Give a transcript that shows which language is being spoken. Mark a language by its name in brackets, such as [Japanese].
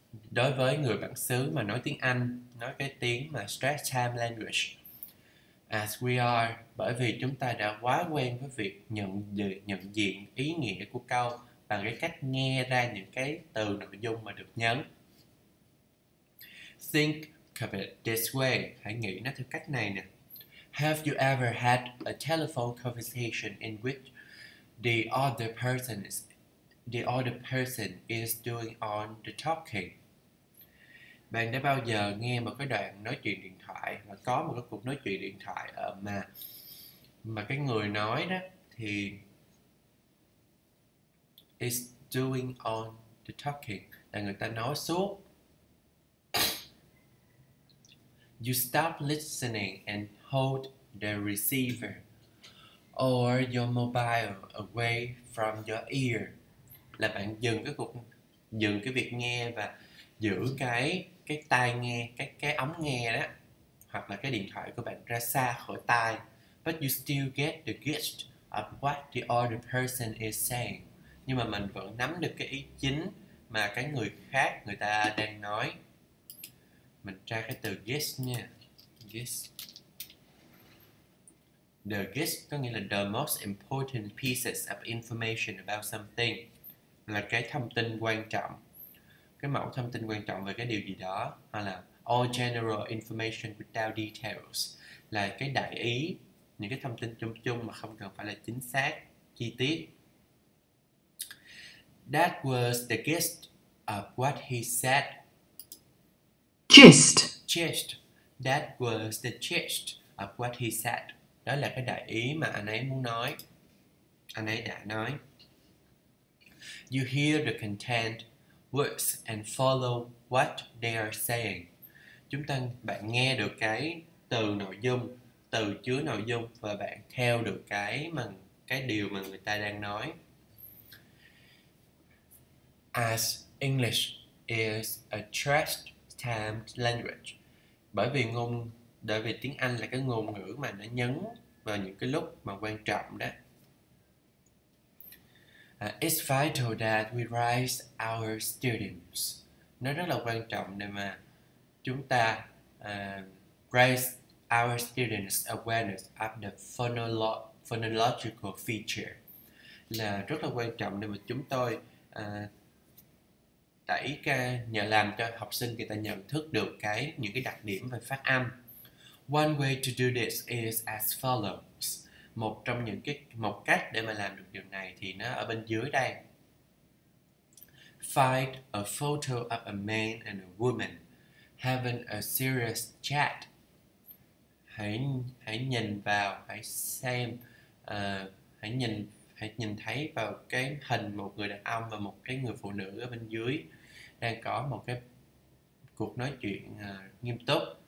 [Vietnamese] Đối với người bản xứ mà nói tiếng Anh, nói cái tiếng mà [English] stress time language, as we are, [Vietnamese] bởi vì chúng ta đã quá quen với việc nhận diện ý nghĩa của câu bằng cái cách nghe ra những cái từ nội dung mà được nhấn. [English] Think of it this way, [Vietnamese] hãy nghĩ nó theo cách này nè. [English] Have you ever had a telephone conversation in which the other person is doing all the talking? [Vietnamese] Bạn đã bao giờ nghe một cái đoạn nói chuyện điện thoại, và có một cái cuộc nói chuyện điện thoại ở mà cái người nói đó thì [English] is doing all the talking, [Vietnamese] là người ta nói suốt. [English] Stop listening and hold the receiver or your mobile away from your ear, [Vietnamese] là bạn dừng cái việc nghe và giữ cái tai nghe, cái ống nghe đó, hoặc là cái điện thoại của bạn ra xa khỏi tai. [English] But you still get the gist of what the other person is saying. [Vietnamese] Nhưng mà mình vẫn nắm được cái ý chính mà cái người khác người ta đang nói. Mình tra cái từ gist nha. Gist. The gist có nghĩa là [English] the most important pieces of information about something, [Vietnamese] là cái thông tin quan trọng, cái mẫu thông tin quan trọng về cái điều gì đó, hay là [English] all general information without details, [Vietnamese] là cái đại ý, những cái thông tin chung chung mà không cần phải là chính xác, chi tiết. [English] That was the gist of what he said. Gist. Gist. That was the gist of what he said. [Vietnamese] Đó là cái đại ý mà anh ấy muốn nói, anh ấy đã nói. [English] You hear the content words and follow what they are saying. [Vietnamese] Bạn nghe được cái từ nội dung, từ chứa nội dung, và bạn theo được cái điều mà người ta đang nói. [English] As English is a stressed time language, [Vietnamese] bởi vì bởi vì tiếng Anh là cái ngôn ngữ mà nó nhấn vào những cái lúc mà quan trọng đó. [English] It's vital that we raise our students [Vietnamese] nó rất là quan trọng để mà chúng ta [English] raise our students' awareness of the phonological feature. [Vietnamese] Là rất là quan trọng để mà chúng tôi đẩy ra nhờ làm cho học sinh người ta nhận thức được cái những cái đặc điểm về phát âm. [English] One way to do this is as follows. [Vietnamese] Một trong những cái một cách để mà làm được điều này thì nó ở bên dưới đây. [English] Find a photo of a man and a woman having a serious chat. [Vietnamese] Hãy nhìn vào, hãy xem, hãy nhìn thấy vào cái hình một người đàn ông và một cái người phụ nữ ở bên dưới đang có một cái cuộc nói chuyện nghiêm túc.